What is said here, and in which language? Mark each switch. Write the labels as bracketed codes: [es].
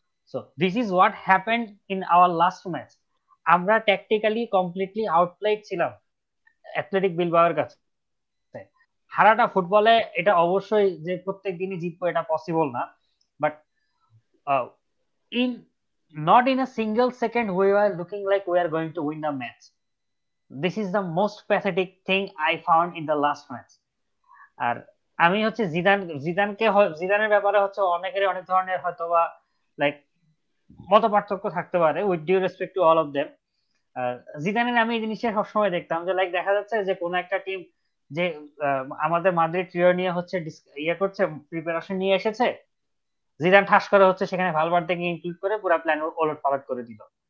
[en] so this is what happened in our last match, [bn] আমরা tactically completely outplayed ছিলাম athletic বিলবাওয়ের কাছে, হারাটা ফুটবলে এটা অবশ্যই যে প্রত্যেক দিনই জিতবো এটা পসিবল না, [en] But in not in a single second we were looking like we are going to win the match. This is the most pathetic thing I found in the last match. [bn] আর আমি হচ্ছে Zidane জিদানকে জিদানের ব্যাপারে হচ্ছে অনেকেরই অনেক ধরনের হয়তো বা লাইক মত পার্থক্য থাকতে পারে [en] with due respect to all of them, [bn] জিদানের আমি এই জিনিসটা সবসময় দেখতাম যে লাইক দেখা যাচ্ছে যে কোন একটা টিম যে আমাদের মাদ্রিদ ট্রিও নিয়ে হচ্ছে ইয়ে করছে প্রিপারেশন নিয়ে এসেছে, জিদান ঠাস করে হচ্ছে সেখানে ভালভার্দেকে ইনক্লুড করে পুরো প্ল্যান ওলট পালট করে দিল।